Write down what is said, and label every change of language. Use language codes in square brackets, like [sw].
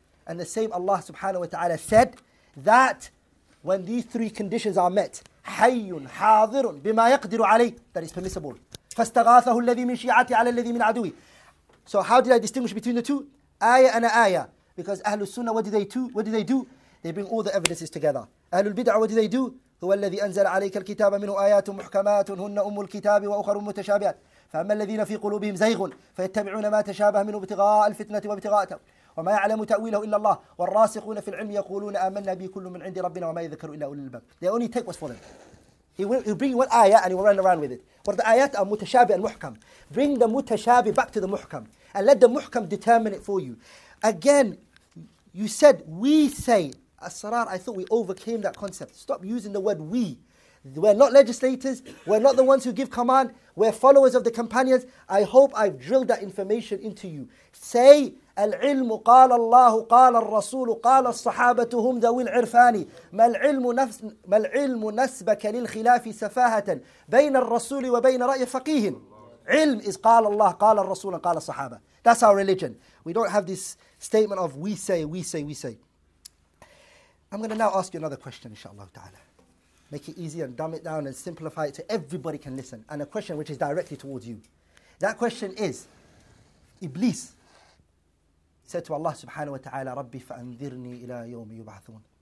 [en] And the same Allah subhanahu wa ta'ala said that when these three conditions are met, [ar] حَيٌّ حَاضِرٌ بِمَا يَقْدِرُ عَلَيْهِ, [en] that is permissible. [ar] فَاسْتَغَاثَهُ الَّذِي مِنْ شِيعَتِهِ عَلَى الَّذِي مِنْ عَدُوِهِ. [en] So how did I distinguish between the two? Ayah and ayah. Because Ahlul Sunnah, what do they do? They bring all the evidences together. Ahlul Bid'ah, what do they do? [ar] هو الذي أنزل عليك الكتاب منه آيات محكمات هن أم الكتاب وأخر متشابهات فأما الذين في قلوبهم زيغ فيتبعون ما تشابه منه ابتغاء الفتنة وابتغاء تأويله وما يعلم تأويله إلا الله والراسخون في العلم يقولون آمنا به كل من عند ربنا وما يذكر إلا أولي الألباب. [en] They only take what's for them. He'll bring one ayah and he'll run around with it. But the ayat are mutashabi and muhkam. Bring the mutashabi back to the muhkam and let the muhkam determine it for you. Again, you said, we say, as-sarar, I thought we overcame that concept. Stop using the word we. We're not legislators. We're not the ones who give command. We're followers of the companions. I hope I've drilled that information into you. Say, [ar] العلم قال الله قال الرسول قال الصحابة هم ذوي العرفان ما العلم نسبك للخلاف سفاهة بين الرسول وبين رأي فقيه. علم [en] is [ar] قال الله قال الرسول قال الصحابة. [en] That's our religion. We don't have this statement of we say, we say, we say. I'm going to now ask you another question, inshallah ta'ala. Make it easy and dumb it down and simplify it so everybody can listen. And a question which is directly towards you. That question is, Iblis said to Allah subhanahu wa ta'ala, [ar] Rabbi fa'andhirni ila yawmi yub'athun.